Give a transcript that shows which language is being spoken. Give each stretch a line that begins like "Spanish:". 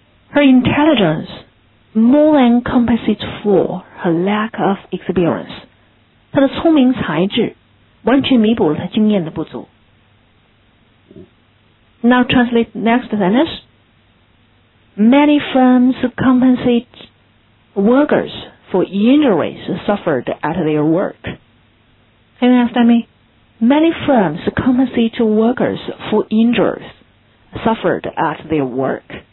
English: Her intelligence more than compensates for her lack of experience.
Chinese: 她的聪明才智完全弥补了他经验的不足。
English: Now translate next sentence. Many firms compensate workers for injuries suffered at their work. Can you understand me? Many firms compensate workers for injuries suffered at their work.